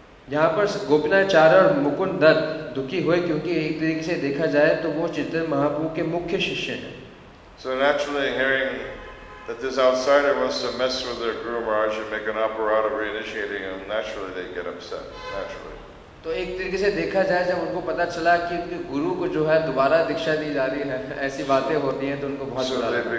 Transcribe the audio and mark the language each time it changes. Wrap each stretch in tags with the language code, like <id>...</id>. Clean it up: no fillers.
<hi>यहाँ पर गोपीनाथ आचार्य और मुकुंदत दुखी हुए क्योंकि एक तरीके से देखा जाए तो वो चैतन्य महाप्रभु के मुख्य शिष्य हैं।</hi> <en>So naturally, hearing that this outsider wants to mess with their guru Maharaj and make an apparatus of initiating him, naturally they get upset. Naturally.</en> <hi>तो एक तरीके से देखा जाए जब उनको पता चला कि उनके गुरु को जो है दोबारा दीक्षा दी जा रही है, ऐसी बातें होती हैं तो उनको बहुत बुरा</hi>